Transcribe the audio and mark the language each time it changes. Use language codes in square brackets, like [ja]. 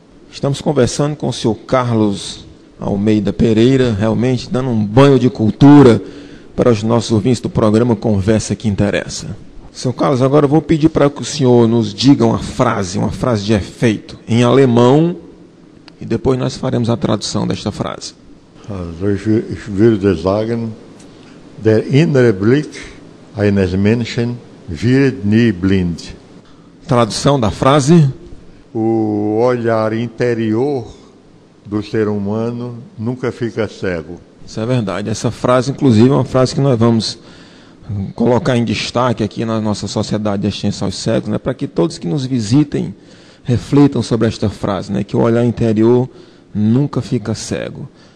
[pt] Estamos conversando com o senhor Carlos Almeida Pereira, realmente dando um banho de cultura para os nossos ouvintes do programa Conversa que Interessa. Senhor Carlos, agora eu vou pedir para que o senhor nos diga uma frase de efeito, em alemão, e depois nós faremos a tradução desta frase. [de] Ich würde sagen, der innere Blick eines Menschen wird nie blind. [pt] Tradução da frase? O olhar interior do ser humano nunca fica cego. Isso é verdade. Essa frase, inclusive, é uma frase que nós vamos colocar em destaque aqui na nossa Sociedade de Assistência aos Cegos, né, para que todos que nos visitem reflitam sobre esta frase, né, que o olhar interior nunca fica cego.